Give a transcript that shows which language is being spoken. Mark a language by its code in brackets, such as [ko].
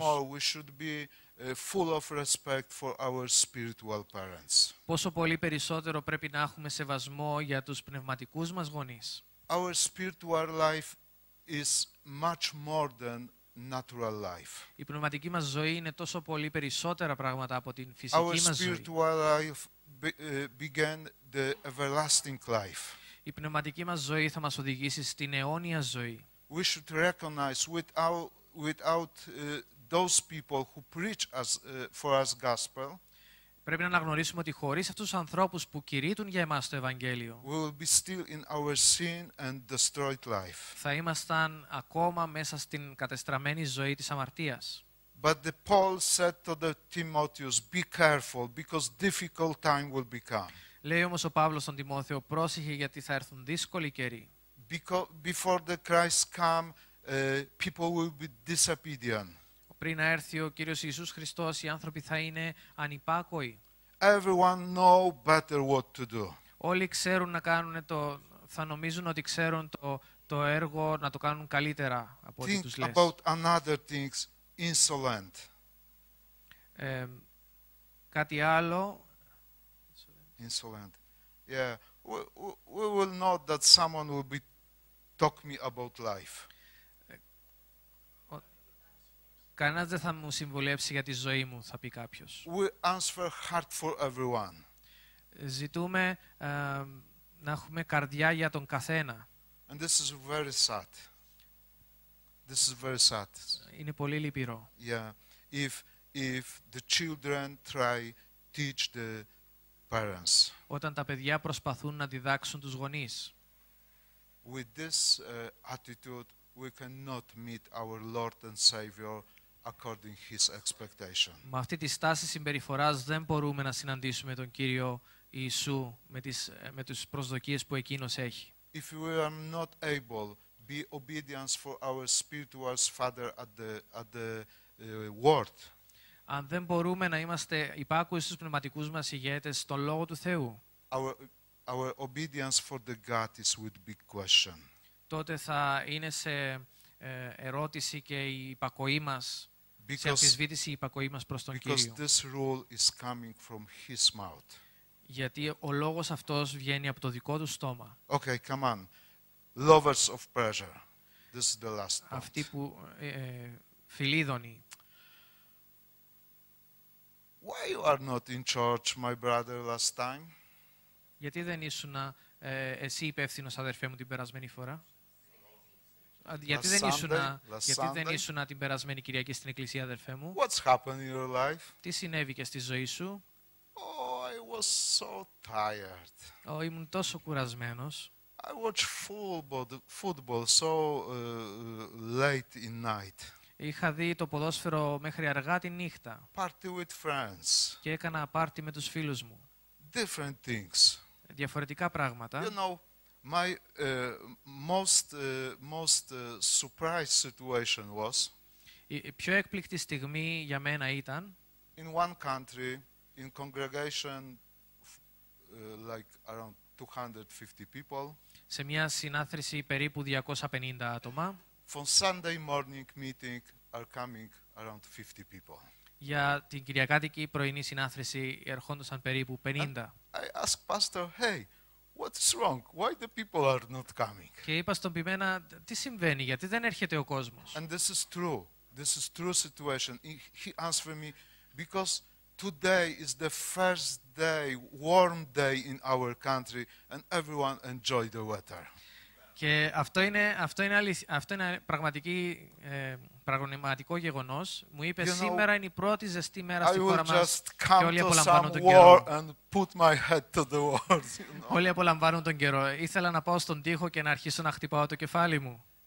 [en] More we should be full of respect for our spiritual parents. [el] Πόσο πολύ περισσότερο πρέπει να έχουμε σεβασμό για τους πνευματικούς μας γονείς. [en] Our spiritual life is much more than natural life. [el] Η πνευματική μας ζωή είναι τόσο πολύ περισσότερα πράγματα από την φυσική [en] our [el] μας ζωή. [en] Our spiritual life began the everlasting life. [el] Η πνευματική μας ζωή θα μας οδηγήσει στην αιώνια ζωή. [en] We should recognize without those people who preach us for us gospel. [el] Πρέπει να αναγνωρίσουμε ότι χωρίς αυτούς τους ανθρώπους που κηρύττουν για εμάς το Ευαγγέλιο, [en] we will be still in our sin and destroyed life. [el] Θα ήμασταν ακόμα μέσα στην κατεστραμμένη ζωή της αμαρτίας. [en] But the Paul said to the Timotheus, be careful because difficult time will become. [el] Λέει όμως ο Παύλος στον Τιμόθεο, πρόσεχε γιατί θα έρθουν δύσκολοι καιροί. [en] Before the Christ come, people will be disobedient. [el] Πριν να έρθει ο Κύριος Ιησούς Χριστός, οι άνθρωποι θα είναι ανυπάκοοι. [en] Everyone know better what to do. [el] Όλοι ξέρουν να κάνουν το, θα νομίζουν ότι ξέρουν το έργο να το κάνουν καλύτερα από [en] Think [el] ό,τι τους λες. [en] Think about another things. Insolent. [el] Κάτι άλλο. [en] Insolent. Yeah. We will know that someone will be talk me about life. [el] Κανένας δεν θα μου συμβουλέψει για τη ζωή μου, θα πει κάποιος. [en] We answer heart for everyone. [el] Ζητούμε να έχουμε καρδιά για τον καθένα. [en] And this is very sad. This is very sad. [el] Είναι πολύ λυπηρό. [en] Yeah. If the children try teach the parents. [el] Όταν τα παιδιά προσπαθούν να διδάξουν τους γονείς. [en] With this attitude, we cannot meet our Lord and Savior according his expectation. [el] Με αυτή τη στάση συμπεριφοράς δεν μπορούμε να συναντήσουμε τον Κύριο Ιησού με τις προσδοκίες που εκείνος έχει. [en] If we are not able be obedience for our spiritual father at the word. [el] Αν δεν μπορούμε να είμαστε υπάκουοι στους πνευματικούς μας ηγέτες στον λόγο του Θεού. [en] Our our obedience for the God is with big question. [el] Τότε θα είναι σε ερώτηση και η υπακοή μας, σε αμφισβήτηση η υπακοή μας προς τον Κύριο. [en] Because this rule is coming from his mouth. [el] Γιατί ο λόγος αυτός βγαίνει από το δικό του στόμα. [en] Okay, come on. Lovers of pleasure. This is the last point. [el] Αυτοί που φιλίδωνοι. [en] Why you are not in church, my brother, last time? [el] Γιατί δεν ήσουν εσύ υπεύθυνος, αδερφέ μου, την περασμένη φορά? Γιατί δεν ήσουν, γιατί δεν ήσουν την περασμένη Κυριακή στην εκκλησία, αδερφέ μου? [en] What's happened in your life? [el] Τι συνέβη και στη ζωή σου? [en] Oh, I was so tired. [el] Oh, ήμουν τόσο κουρασμένος. [en] I watched football so late in night. [el] Είχα δει το ποδόσφαιρο μέχρι αργά τη νύχτα. [en] Party with friends. [el] Και έκανα πάρτι με τους φίλους μου. [en] Different things. [el] Διαφορετικά πράγματα. [en] You know, my most surprise situation was. [el] Η πιο έκπληκτη στιγμή για μένα ήταν. [en] In one country, in congregation like around 250 people. [el] Σε μια συνάθρηση περίπου 250 άτομα. [en] From Sunday morning meeting are coming around 50 people. [el] Για την Κυριακάτικη πρωινή συνάθρηση ερχόντουσαν περίπου 50. [en] I ask pastor, hey, what's wrong? Why the people are not coming? [el] Και είπα στον ποιμένα, τι συμβαίνει, γιατί δεν έρχεται ο κόσμος? [en] And this is true. This is true situation. He answered me, because today is the first day, warm day in our country, and everyone enjoyed the weather. [el] Και αυτό είναι πραγματική, πραγματικό γεγονός. Μου είπε, [en] you [el] σήμερα [en] know, [el] είναι η πρώτη ζεστή μέρα στη [en] I [el] χώρα μας και όλοι απολαμβάνουν τον καιρό. [en] World, you know. [el] Όλοι απολαμβάνουν τον καιρό. Ήθελα να πάω στον τοίχο και να αρχίσω να χτυπάω το κεφάλι μου.